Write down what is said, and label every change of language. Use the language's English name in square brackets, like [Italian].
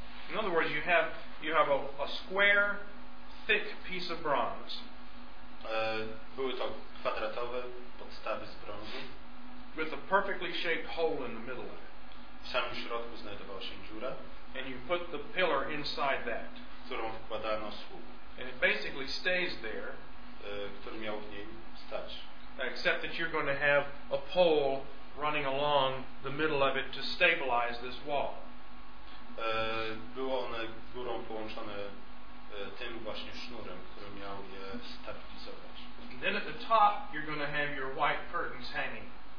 [English] In other words, you have a square, thick piece of bronze. [Polish] Były to kwadratowe podstawy z brązu. [English] With a perfectly shaped hole in the middle of it. [Polish] W samym środku znajdowała się dziura. [English] And you put the pillar inside that. [Polish] Którą wkładano słup. [English] And it basically stays there. [Polish] Który miał w niej stać. [English] Except that you're going to have a pole running along the middle of it to stabilize this wall. [Polish] Było one górą połączone tym właśnie sznurem, który miał je stabilizować. [English] And then at the top you're going to have your white curtains hanging.